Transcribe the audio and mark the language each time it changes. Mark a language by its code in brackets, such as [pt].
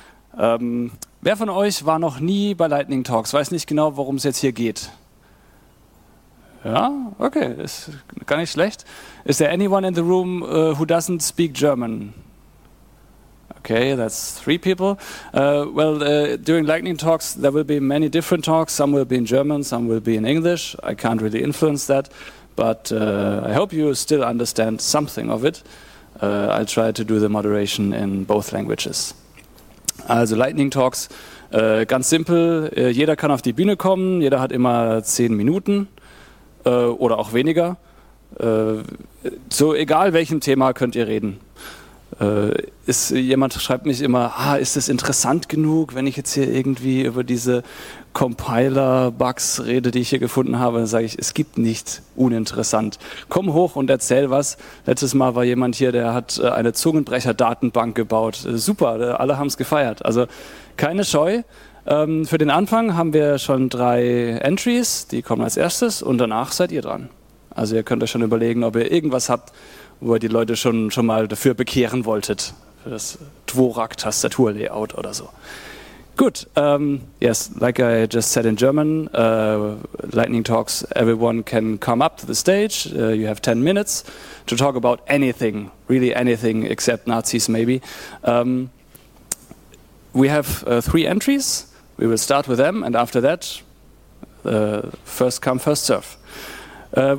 [de] Wer von euch war noch nie bei Lightning Talks? Weiß nicht genau, worum es jetzt hier geht. Ja, okay, ist gar nicht schlecht. [en] Is there anyone in the room who doesn't speak German? Okay, that's three people. During Lightning Talks, there will be many different talks. Some will be in German, some will be in English. I can't really influence that. But I hope you still understand something of it. I'll try to do the moderation in both languages. [de] Also Lightning Talks, ganz simpel. Jeder kann auf die Bühne kommen. Jeder hat immer 10 Minuten oder auch weniger. So egal welchem Thema könnt ihr reden. Jemand schreibt mich immer, ist das interessant genug, wenn ich jetzt hier irgendwie über diese Compiler-Bugs rede, die ich hier gefunden habe, dann sage ich, es gibt nichts uninteressant. Komm hoch und erzähl was. Letztes Mal war jemand hier, der hat eine Zungenbrecher-Datenbank gebaut. Super, alle haben es gefeiert. Also keine Scheu. Für den Anfang haben wir schon 3 Entries, die kommen als erstes und danach seid ihr dran. Also ihr könnt euch schon überlegen, ob ihr irgendwas habt, wo ihr die Leute schon mal dafür bekehren wolltet, für das Dvorak-Tastatur-Layout oder so. [en] Gut, yes, like I just said in German, Lightning Talks, everyone can come up to the stage, you have 10 minutes to talk about anything, really anything except Nazis maybe. We have 3 entries, we will start with them and after that, first come, first serve.